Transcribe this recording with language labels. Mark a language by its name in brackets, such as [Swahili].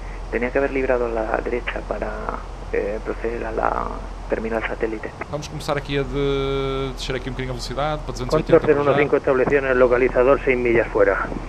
[Spanish] Tenía que haber librado la derecha para proceder a la terminal satélite. [Portuguese] Vamos começar aqui a descer aqui um bocadinho a velocidade para 280. [Spanish] Condor 015 estabelecido en el localizador 6 millas fuera.